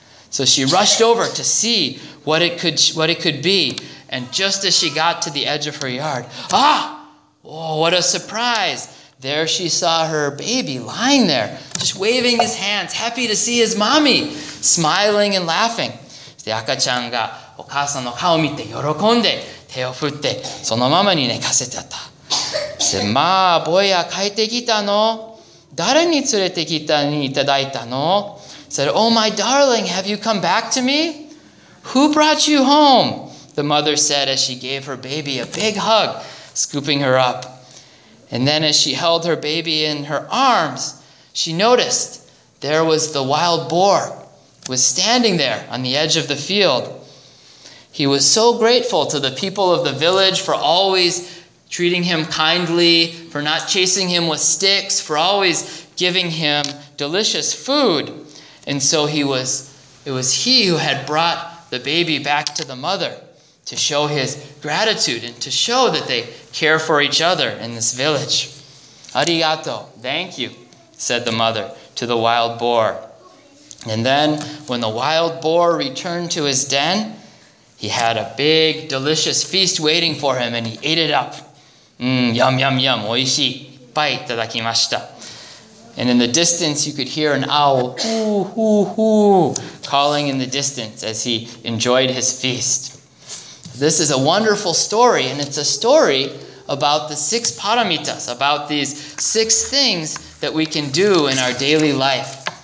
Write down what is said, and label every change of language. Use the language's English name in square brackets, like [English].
[English] So she rushed over to see what it could be. And just as she got to the edge of her yard, ah! Oh, what a surprise! There she saw her baby lying there, just waving his hands, happy to see his mommy, smiling and laughing. [Japanese] で、赤ちゃんがお母さんの顔を見て喜んで手を振ってそのままに寝かせてた。で、まあ、ぼや、帰ってきたの？誰に連れてきたにいただいたの？ [English] Said, "Oh, my darling, have you come back to me? Who brought you home?" The mother said as she gave her baby a big hug, scooping her up. And then as she held her baby in her arms, she noticed there was the wild boar was standing there on the edge of the field. He was so grateful to the people of the village for always treating him kindly, for not chasing him with sticks, for always giving him delicious food. And so it was he who had brought the baby back to the mother to show his gratitude and to show that they care for each other in this village. Arigato, thank you, said the mother to the wild boar. And then when the wild boar returned to his den, he had a big, delicious feast waiting for him, and he ate it up. Yum, yum, yum, [Japanese] oishii, いっぱいいただきました. [English] And in the distance, you could hear an owl, hoo, hoo, hoo, calling in the distance as he enjoyed his feast. This is a wonderful story, and it's a story about the six paramitas, about these six things that we can do in our daily life.